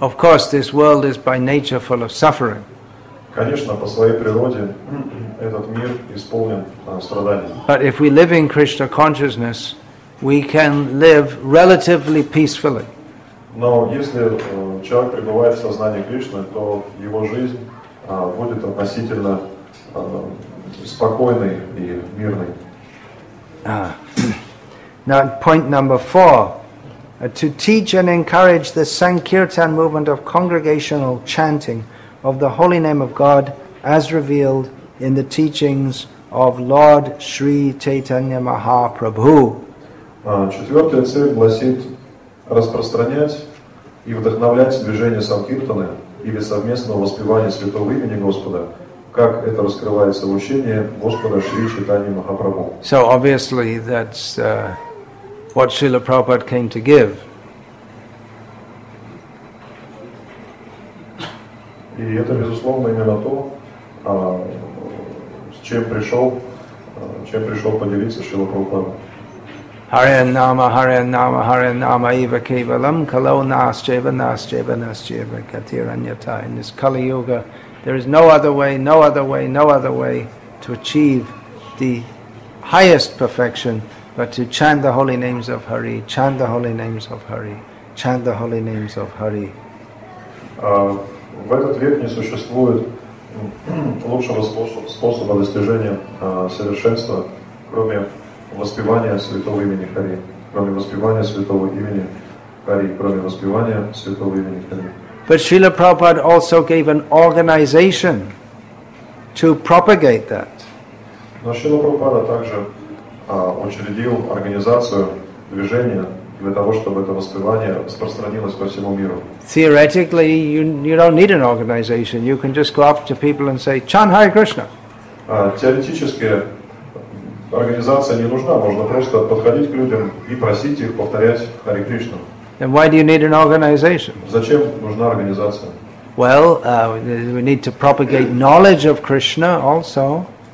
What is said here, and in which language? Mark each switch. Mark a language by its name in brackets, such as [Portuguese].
[English] Of course, this world is by nature full of suffering. [Russian] Конечно, по своей природе этот мир исполнен страданий. [English] But if we live in Krishna consciousness, we can live relatively peacefully. [Russian] Но если человек пребывает в сознании Кришны, то его жизнь будет относительно спокойной и мирной. [English] Now, point number four. To teach and encourage the Sankirtan movement of congregational chanting of the holy name of God as revealed in the teachings of Lord Sri Chaitanya Mahaprabhu. [Russian] Четвертая цель гласит распространять и вдохновлять движение Санкиртаны или совместного воспевания святого имени Господа, как это раскрывается в учении Господа Шри Чайтанья Махапрабху. [English] So obviously that's what Srila Prabhupada came to give. [Russian] И это, безусловно, именно то, с чем пришел поделиться Шрила Прабхупада. [Sanskrit] Hariyanama, Hariyanama, Hariyanama, Iva Kevalam, Kalo Nascheva, Nascheva, Nascheva, Gatiranyata. [English] In this Kali Yuga, there is no other way, no other way, no other way to achieve the highest perfection but to chant the holy names of Hari, chant the holy names of Hari, chant the holy names of Hari. [Russian] В этот век не существует лучшего способа достижения совершенства, кроме воспевания святого имени Хари, кроме воспевания святого имени Хари, кроме воспевания святого имени Хари. [English] But Srila Prabhupada also gave an organization to propagate that. [Russian] Но Шрила Прабхупада также учредил организацию движения для того, чтобы это воспевание распространилось по всему миру. [English] Theoretically, you don't need an organization. You can just go up to people and say, "Chant Hare Krishna." [Russian] Теоретически организация не нужна. Можно просто подходить к людям и просить их повторять Хари Кришну. [English] Then why do you need an organization? [Russian] Зачем нужна организация? [English] Well, we need to propagate knowledge of Krishna also.